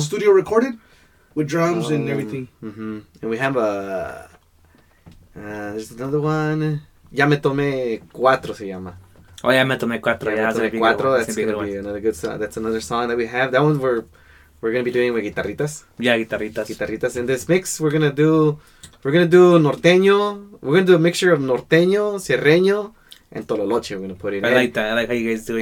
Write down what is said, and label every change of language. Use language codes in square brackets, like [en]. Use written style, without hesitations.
[en] Studio recorded with drums and everything. Mm-hmm. And we have a. There's another one. [es] Ya me tomé cuatro, se llama. Oh, ya me tomé cuatro. Ya me tomé cuatro. [en] That's another song that we have. That one we're gonna be doing with guitarritas. Yeah, guitarritas. Guitarritas. In this mix, we're gonna do norteño. We're gonna do a mixture of norteño, sierreño. And Tololoche, we're going to put it in. I like that. I like how you guys doing.